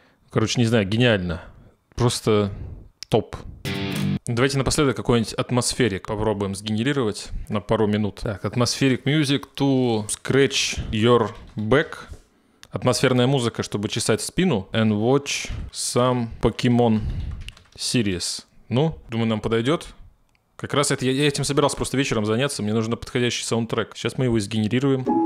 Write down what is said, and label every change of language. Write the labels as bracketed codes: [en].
[ru] Короче, не знаю, гениально. Просто топ. Давайте напоследок какой-нибудь атмосферик попробуем сгенерировать на пару минут. Так, атмосферик [en] music to scratch your back. [ru] Атмосферная музыка, чтобы чесать спину. [en] And watch some Pokemon series. [ru] Ну, думаю, нам подойдет. Как раз это я этим собирался просто вечером заняться. Мне нужен подходящий саундтрек. Сейчас мы его сгенерируем.